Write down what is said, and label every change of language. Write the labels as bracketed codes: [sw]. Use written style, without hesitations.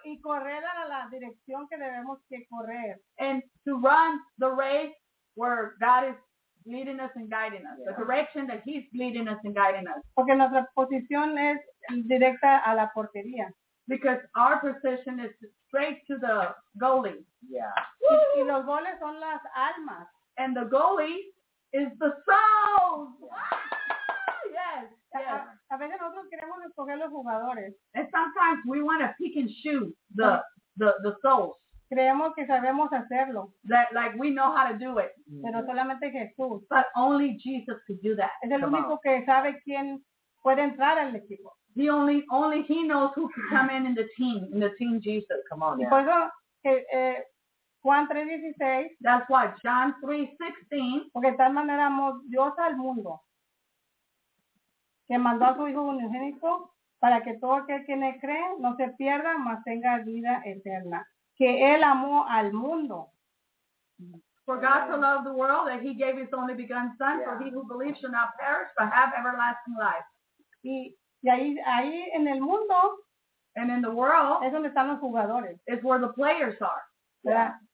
[es] Y correr a la dirección que debemos que correr. [en] And to run the race where God is leading us and guiding us. Yeah. The direction that he's leading us and guiding us. [es] Porque nuestra posición es directa a la portería. [en] Because our position is straight to the goalie. Yeah. [es] Y los goles son las almas. [en] And the goalie is the soul. Yeah. Yes. Yes. [es] A veces nosotros queremos escoger los jugadores. [en] And sometimes we want to pick and choose the souls. [es] Creemos que sabemos hacerlo. [en] That, like we know how to do it. [es] Pero solamente Jesús. [en] But only Jesus could do that. [es] Es el único que sabe quién puede entrar al equipo. [en] The only he knows who can come in the team Jesus. Come on. [es] Y por eso que Juan 3:16. [en] That's why John 3:16. [es] Porque de tal manera amó Dios al mundo que mandó a su hijo unigénito para que todo aquel que le cree no se pierda, mas tenga vida eterna. Que él amó al mundo. [en] For God so loved the world that he gave his only begotten son, yeah. for he who believes shall not perish, but have everlasting life. [es] Y ahí en el mundo, [en] and in the world, [es] es donde están los jugadores. [en] It's where the players are.